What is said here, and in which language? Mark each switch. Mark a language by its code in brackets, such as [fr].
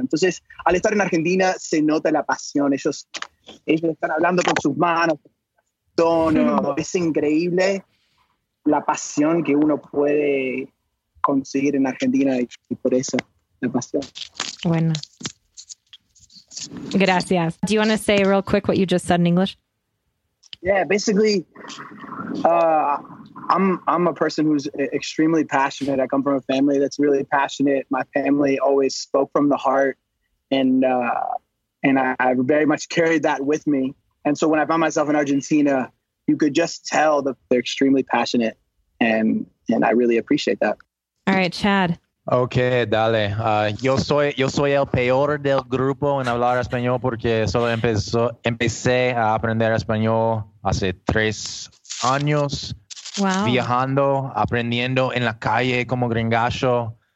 [es] Entonces, al estar en Argentina, se nota la pasión. Ellos están hablando con sus manos, tono, es increíble la pasión que uno puede conseguir en Argentina, y por eso, la pasión. Bueno. Gracias. [en] Do you want to say real quick what you just said in English? Yeah, basically, I'm a person who's extremely passionate. I come from a family that's really passionate. My family always spoke from the heart, and I very much carried that with me. And so when I found myself in Argentina, you could just tell that they're extremely passionate, and I really appreciate that. All right, Chad. [es] Okay, dale. Yo soy el peor del grupo en hablar español porque solo empecé a aprender español hace 3 años. Wow. Viajando, aprendiendo en la calle como gringacho.